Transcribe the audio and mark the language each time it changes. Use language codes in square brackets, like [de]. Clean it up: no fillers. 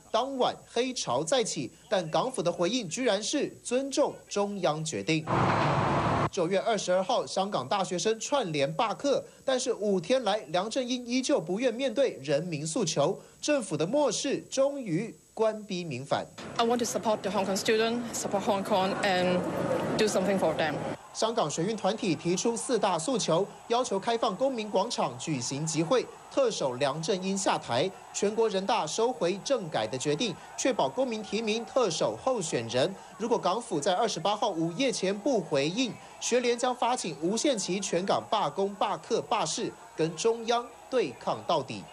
[zh] 当晚黑潮再起，但港府的回应居然是尊重中央决定。 9月22号，香港大学生串联罢课，但是5天来，梁振英依旧不愿面对人民诉求，政府的漠视终于官逼民反。 [en] I want to support the Hong Kong student, support Hong Kong, and do something for them. [zh] 香港学运团体提出四大诉求，要求开放公民广场举行集会，特首梁振英下台，全国人大收回政改的决定，确保公民提名特首候选人。如果港府在28号午夜前不回应，学联将发起无限期全港罢工、罢课、罢市，跟中央对抗到底。